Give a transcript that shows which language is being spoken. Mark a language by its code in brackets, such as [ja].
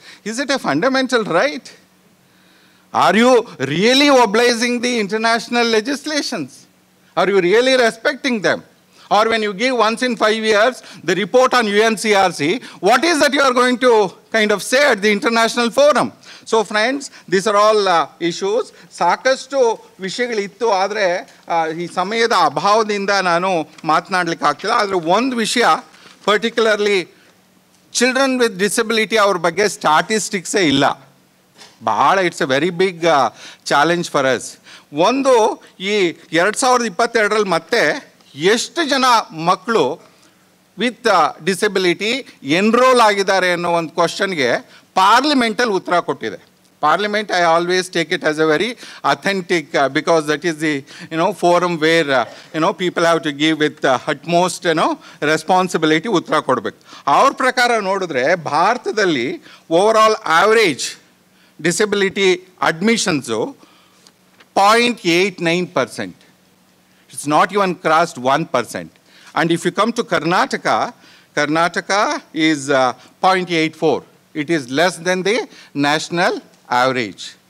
[en] Is it a fundamental right? Are you really obliging the international legislations? Are you really respecting them? Or when you give once in 5 years the report on UNCRC, what is that you are going to kind of say at the international forum? So friends, these are all issues. [kn] ಸಾಕಷ್ಟು ವಿಷಯಗಳು ಇತ್ತು, ಆದರೆ ಈ ಸಮಯದ ಅಭಾವದಿಂದ ನಾನು ಮಾತನಾಡ್ಲಿಕ್ಕೆ ಆಗ್ತಿಲ್ಲ. ಆದರೆ ಒಂದು ವಿಷಯ ಪರ್ಟಿಕ್ಯುಲರ್ಲಿ, ಚಿಲ್ಡ್ರನ್ ವಿತ್ ಡಿಸಬಿಲಿಟಿ ಅವ್ರ ಬಗ್ಗೆ ಸ್ಟಾಟಿಸ್ಟಿಕ್ಸೇ ಇಲ್ಲ. ಭಾಳ [en] It's a very big challenge for us. [kn] ಒಂದು, ಈ 2022 ಮತ್ತೆ ಎಷ್ಟು ಜನ ಮಕ್ಕಳು ವಿತ್ ಡಿಸಬಿಲಿಟಿ ಎನ್ರೋಲ್ ಆಗಿದ್ದಾರೆ ಅನ್ನೋ ಒಂದು ಕ್ವಶನ್ಗೆ ಪಾರ್ಲಿಮೆಂಟಲ್ಲಿ ಉತ್ತರ ಕೊಟ್ಟಿದೆ. [en] parliament, I always take it as a very authentic, because that is the forum where people have to give with utmost responsibility [kn] ಉತ್ತರ ಕೊಡಬೇಕು. ಅವ್ರ ಪ್ರಕಾರ ನೋಡಿದ್ರೆ ಭಾರತದಲ್ಲಿ overall average disability admissions 0.89%. [en] It's not even crossed 1%. And if you come to Karnataka, Karnataka is 0.84. It is less than the national average.